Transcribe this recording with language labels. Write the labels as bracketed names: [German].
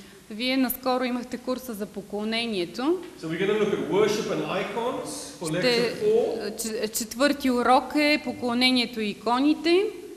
[Bulgarian] Вие наскоро имахте курса за поклонението. [English] So we're going to look at worship and icons for lecture 4. [Bulgarian] Четвърти урок е поклонението и иконите.